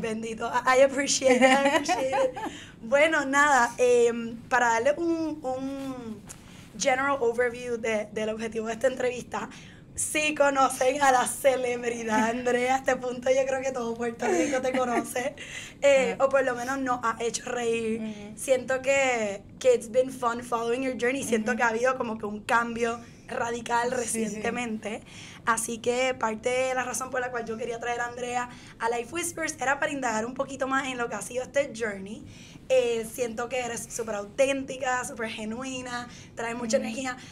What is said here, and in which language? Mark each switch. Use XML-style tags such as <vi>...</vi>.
<es>Bendito.</es> <en>I appreciate it.</en> <es>Bueno, nada, para darle un general overview del objetivo de esta entrevista. Sí, conocen a la celebridad, Andrea. A este punto yo creo que todo Puerto Rico te conoce. O por lo menos nos ha hecho reír. Siento que</es> <en>it's been fun following your journey.</en> <es>Siento que ha habido como que un cambio radical recientemente. Sí. Así que parte de la razón por la cual yo quería traer a Andrea a Life Whispers era para indagar un poquito más en lo que ha sido este journey. Siento que eres súper auténtica, súper genuina, traes mucha energía.</es>